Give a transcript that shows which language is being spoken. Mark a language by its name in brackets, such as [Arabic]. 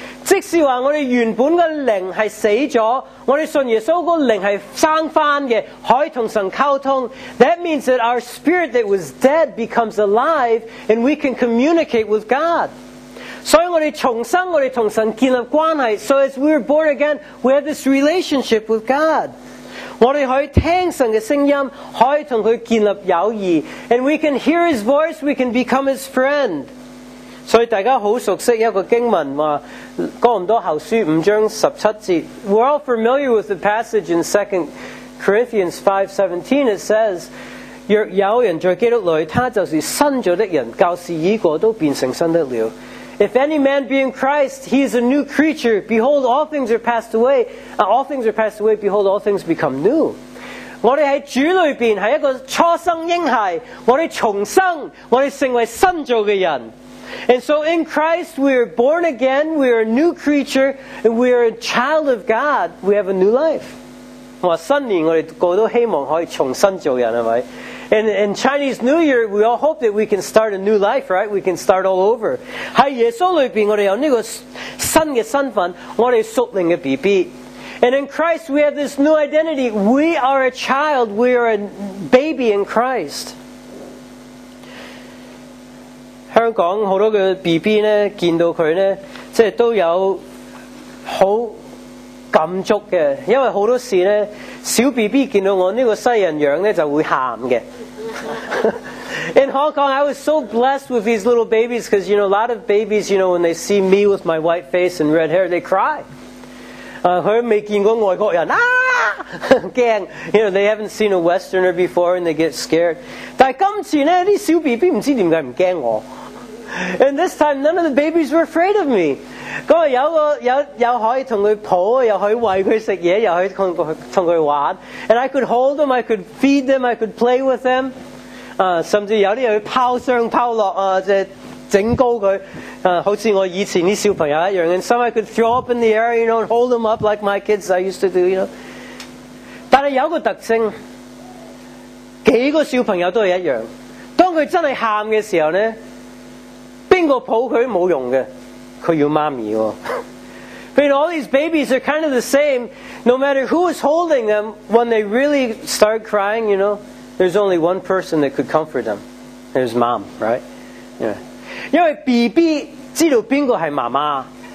[Cantonese] 即是说我们原本的灵是死了，我们信耶稣的灵是生翻的，可以跟神沟通。 [English] That means that our spirit that was dead becomes alive and we can communicate with God. [Cantonese] 所以我们重生，我们同神建立关系。 [English] So as we were born again, we have this relationship with God. [Cantonese] 我们可以听神的声音，可以同他建立友谊。 [English] And we can hear his voice, we can become his friend. [Cantonese] 所以大家好熟悉一个经文，说哥林多后书五章十七节。 [English] We're all familiar with the passage in 2 Corinthians 5:17. It says, [Cantonese] 若有人在基督里，他就是新造的人，旧事已过，都变成新的了。 [English] If any man be in Christ, he is a new creature. Behold, all things are passed away. All things are passed away. Behold, all things become new. [Cantonese] 我们在主里面是一个初生婴孩，我们重生，我们成为新造的人。 [English] And so in Christ, we are born again, we are a new creature, and we are a child of God. We have a new life. [Cantonese] 我说新年我们个都希望可以重新造人，是不是？ [English] And in Chinese New Year, we all hope that we can start a new life, right? We can start all over. [Cantonese] 在耶稣里面，我们有这个新的身份，我们属灵的 BB。 [English] And in Christ we have this new identity. We are a child. We are a baby in Christ. [Cantonese] 香港好多嘅 BB 咧，見到佢咧，即係都有好感觸嘅，因為好多時咧，小 BB 見到我呢個西人樣咧，就會喊嘅。 [English] In Hong Kong, I was so blessed with these little babies because, you know, a lot of babies, you know, when they see me with my white face and red hair, they cry. [Cantonese] 佢未見過外國人啊，驚。 [English] You know, they haven't seen a Westerner before and they get scared. [Cantonese] 但係今次咧，啲小 BB 唔知點解唔驚我。 [English] And this time, none of the babies were afraid of me. [Cantonese] 嗰個有可以同佢抱，又可以喂佢食嘢，又可以同佢玩。 [English] And I could hold them, I could feed them, I could play with them. [Cantonese] 甚至有啲人去抛上抛落啊，即系整高佢，好似我以前啲小朋友一样。 [English] And some I could throw up in the air, you know, and hold them up like my kids I used to do, you know. [Cantonese] 但系有个特征，几个小朋友都系一样。当佢真系喊嘅时候咧，边个抱佢冇用嘅，佢要妈咪喎。 [English] But all these babies are kind of the same. No matter who is holding them, when they really start crying, you know. There's only one person that could comfort them. There's mom, right? Yeah. [Cantonese] 因为 BB 知道边个系妈妈。